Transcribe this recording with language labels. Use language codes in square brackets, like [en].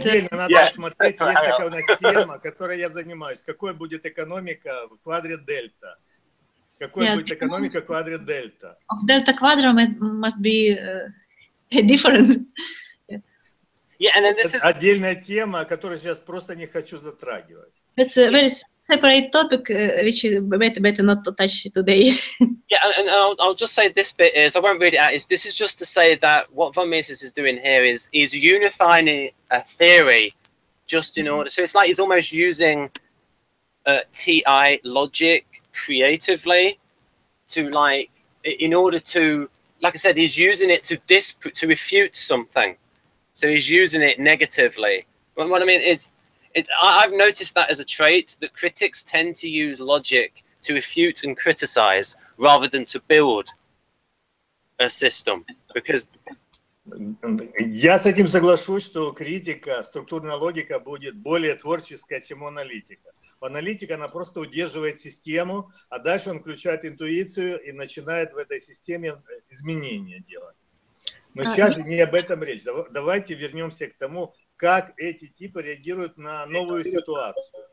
[ru] Отдельно надо рассмотреть, есть такая у нас тема, которой я занимаюсь. Какой будет экономика в квадре дельта? Какой будет экономика в квадре дельта? [en] Of delta quadrant must be different. [ru] Отдельная тема, которую сейчас просто не хочу затрагивать. [en] It's a very separate topic, which is better not to touch today. Yeah, and I'll just say this bit is, I won't read it out, is this is just to say that what von Mises is doing here is he's unifying a theory just in order, so it's like he's almost using TI logic creatively to like, in order to like I said, he's using it to to refute something. So he's using it negatively. But what I mean is, I've noticed that as a trait, that critics tend to use logic to refute and criticize rather than to build a system, because... [ru] Я с этим соглашусь, что критика, структурная логика будет более творческая, чем у аналитика. У аналитика она просто удерживает систему, а дальше он включает интуицию и начинает в этой системе изменения делать. Но сейчас не об этом речь. Давайте вернемся к тому, как эти типы реагируют на новую ситуацию.